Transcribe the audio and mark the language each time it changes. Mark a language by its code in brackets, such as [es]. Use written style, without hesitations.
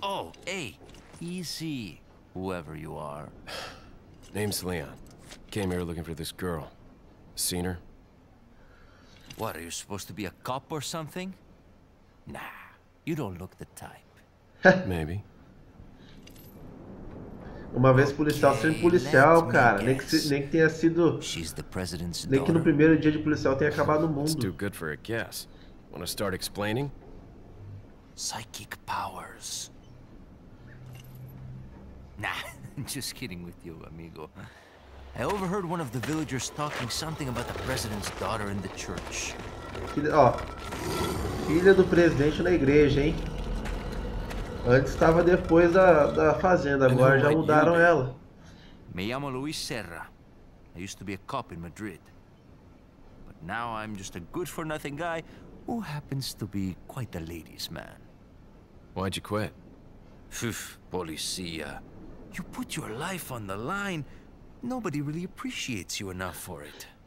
[en] Oh, hey, easy, whoever you are. Name's Leon. Came here looking for this girl. Seen her? What, are you supposed to be a cop or something? Nah, you don't look the type. Maybe. [pt] Uma vez policial, sempre policial, cara. Nem que tenha sido. [en] She's the president's [pt] nem que no primeiro dia de policial tenha acabado o mundo. [en] It's too good for a guess. Wanna start explaining? Psychic powers. Nah, just kidding with you, amigo. I overheard one of the villagers talking something about the president's daughter in the church. [pt] Ó, filha do presidente na igreja, hein? Antes estava depois da fazenda, agora já mudaram ela. Me chamo Luis Serra. [en] I used to be a cop in Madrid. But now I'm just a good for nothing guy who happens to be quite the ladies' man. Why'd you quit? [pt] Phew, policia. [en] You put your life on the line. Nobody really appreciates you enough for it.